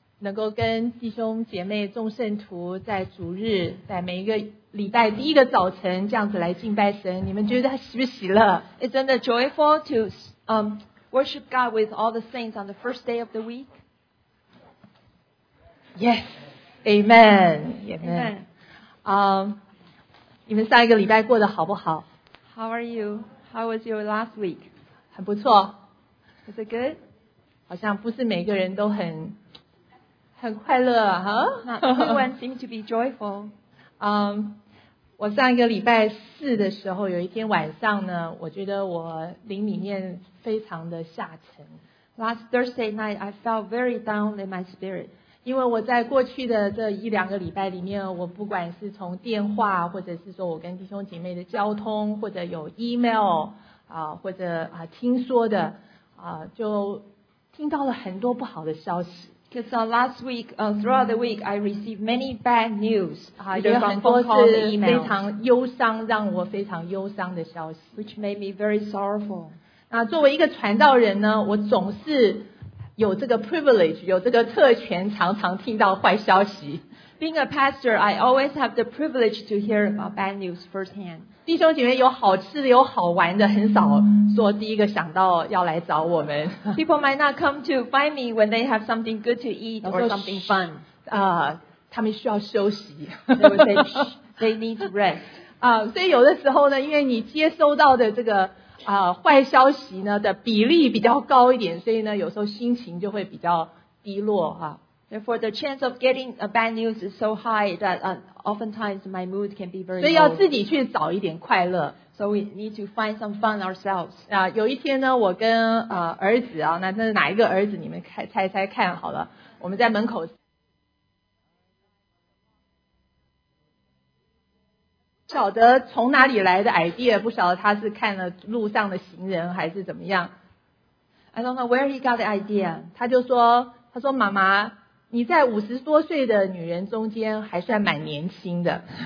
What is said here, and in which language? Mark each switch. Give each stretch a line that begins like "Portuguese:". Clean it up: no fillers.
Chinese: 能够跟弟兄姐妹众圣徒在主日，在每一个礼拜第一个早晨这样子来敬拜神，你们觉得喜不喜乐？
English: Isn't it joyful to worship God with all the saints on the first day of the week? Yes, Amen, Amen.
Chinese: 你们上一个礼拜过得好不好？
English: How are you? How was your last week?
Chinese: 很不错。
English: Is it good?
Chinese: 好像不是每个人都很快乐啊。
English: Not everyone seems to be joyful.
Chinese: 我上一个礼拜四的时候，有一天晚上呢，我觉得我灵里面非常的下沉。
English: Last Thursday night, I felt very down in my spirit.
Chinese: 因为我在过去的这一两个礼拜里面，我不管是从电话，或者是说我跟弟兄姐妹的交通，或者有 email 啊，或者啊听说的啊，就听到了很多不好的消息。
English: Because last week, throughout the week, I received many bad news.
Chinese: 有很多是非常忧伤，让我非常忧伤的消息。
English: Which made me very sorrowful.
Chinese: 那作为一个传道人呢，我总是。有这个 privilege, 有这个特权，常常听到坏消息。
English: Being a pastor, I always have the privilege to hear about bad news firsthand.
Chinese: 弟兄姐妹有好吃的，有好玩的，很少说第一个想到要来找我们。
English: People might not come to find me when they have something good to eat or something fun.
Chinese: 他们需要休息。
English: They need rest.
Chinese: 所以有的时候呢，因为你接收到的这个坏消息呢的比例比较高一点，所以呢有时候心情就会比较低落哈。
English: Therefore, the chance of getting a bad news is so high that oftentimes my mood can be very low.
Chinese: 所以要自己去找一点快乐。
English: So we need to find some fun ourselves.
Chinese: 有一天呢，我跟儿子啊，那是哪一个儿子？你们猜猜看好了，我们在门口。不晓得从哪里来的 idea, 不晓得他是看了路上的行人还是怎么样。
English: I don't know where he got the idea.
Chinese: 他说妈妈，你在50多岁的女人中间还算蛮年轻的。